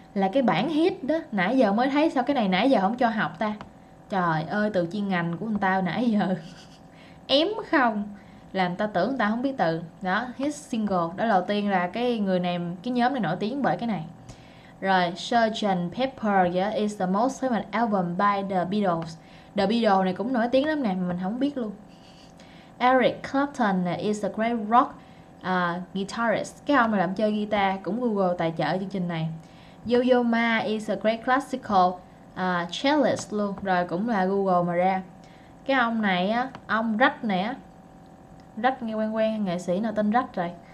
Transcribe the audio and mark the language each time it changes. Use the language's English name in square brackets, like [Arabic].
[Vietnamese] Là cái bản hit đó. Nãy giờ mới thấy sao cái này nãy giờ không cho học ta. Trời ơi, từ chuyên ngành của người ta nãy giờ ém không, làm ta tưởng người ta không biết từ. Đó, hit single. Đó đầu tiên là cái người này, cái nhóm này nổi tiếng bởi cái này. Rồi, Sgt. [English] Pepper, yeah, is the most famous album by The Beatles. [Vietnamese] The Beatles này cũng nổi tiếng lắm nè, mình không biết luôn. [English] Eric Clapton is a great rock guitarist. [Vietnamese] Cái ông mà làm chơi guitar cũng Google tài trợ chương trình này. [English] Yo-Yo Ma is a great classical cellist [Vietnamese] luôn. Rồi, cũng là Google mà ra. Cái ông này á, ông Rách này á, Rách nghe quen quen, nghệ sĩ nào tên Rách rồi.